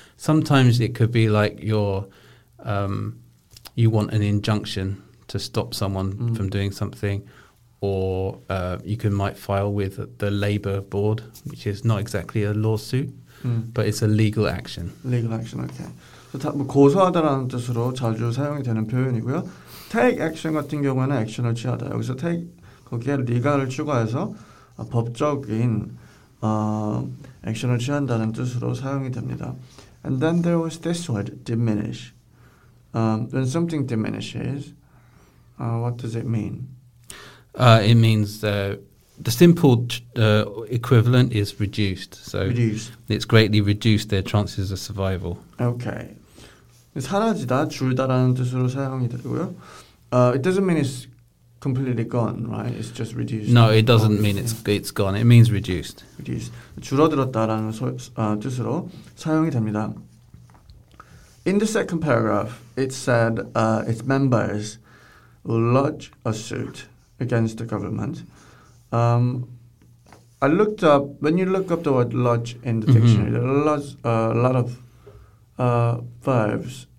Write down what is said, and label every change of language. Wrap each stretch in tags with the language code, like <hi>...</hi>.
<en>Sometimes it could be like you want an injunction to stop someone from doing something, or you might file with the labor board, which is not exactly a lawsuit, but it's a legal action. Legal action, okay.</en> <ko>So 고소하다라는 뜻으로 자주 사용이 되는 표현이고요. Take action 같은 경우에는 action을 취하다. 여기서 take 거기에 legal을 추가해서 법적인 action을 취한다는 뜻으로 사용이 됩니다.</ko> <en>And then there was this word, diminish. When something diminishes, what does it mean? It means the simple equivalent is reduced. So reduced. It's greatly reduced their chances of survival. Okay.</en> <ko>사라지다, 줄다라는 뜻으로 사용이 되고요.</ko> <en>It doesn't mean it's completely gone, right? It's just reduced. No, it doesn't mean it's gone. It means reduced. Reduced.</en> <ko>줄어들었다라는 뜻으로 사용이 됩니다.</ko> <en>In the second paragraph, it said its members will lodge a suit against the government. I looked up, when you look up the word lodge in the dictionary, there are a lot of verbs</en>